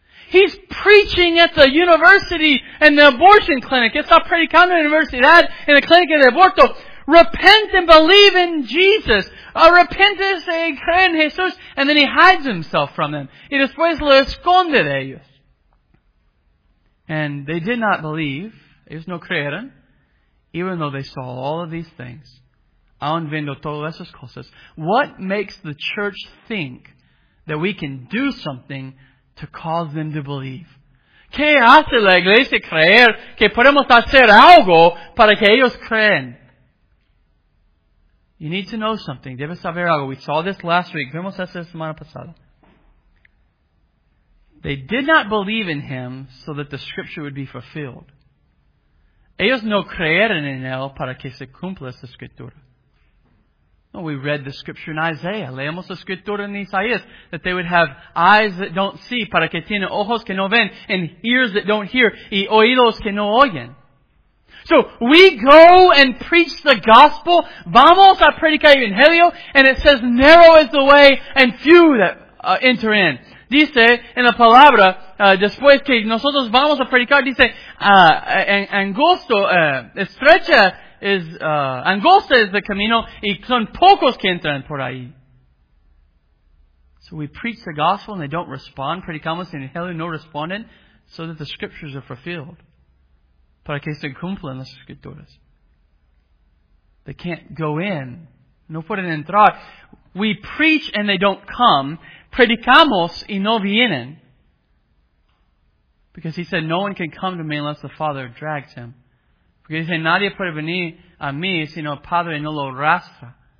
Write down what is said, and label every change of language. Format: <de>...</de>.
<en>He's preaching at the university and the abortion clinic.</en> <es>Está predicando en la universidad, en la clínica de aborto.</es> <en>Repent and believe in Jesus. Repent and</en> <es>cree en Jesús.</es> <en>And then he hides himself from them.</en> <es>Y después lo esconde de ellos.</es> <en>And they did not believe.</en> <es>Ellos no creyeron.</es> <en>Even though they saw all of these things.</en> <es>Aun viendo todas esas cosas.</es> <en>What makes the church think that we can do something to cause them to believe?</en> <es>¿Qué hace la iglesia creer que podemos hacer algo para que ellos creen?</es> <en>You need to know something.</en> <es>Debes saber algo.</es> <en>We saw this last week.</en> <es>Vimos esta semana pasada.</es> <en>They did not believe in him so that the scripture would be fulfilled.</en> <es>Ellos no creyeron en él para que se cumpla esta escritura.</es> <en>We read the scripture in Isaiah.</en> <es>Leemos la escritura en Isaías.</es> <en>That they would have eyes that don't see,</en> <es>para que tienen ojos que no ven,</es> <en>and ears that don't hear,</en> <es>y oídos que no oyen.</es> <en>So, we go and preach the gospel.</en> <es>Vamos a predicar el evangelio.</es> <en>And it says, narrow is the way, and few that enter in.</en> <es>Dice en la palabra, después que nosotros vamos a predicar, dice, angosta es el camino y son pocos que entran por ahí.</es> <en>So we preach the gospel and they don't respond.</en> <es>Predicamos en el evangelio no responden,</es> <en>so that the scriptures are fulfilled.</en> <es>Para que se cumplan las escrituras.</es> <en>They can't go in.</en> <es>No pueden entrar.</es> <en>We preach and they don't come.</en> <es>Predicamos y no vienen.</es> <en>Because he said, no one can come to me unless the Father drags him.</en> <es>Porque dice, nadie puede venir a mí sino el Padre no lo arrastra.</es>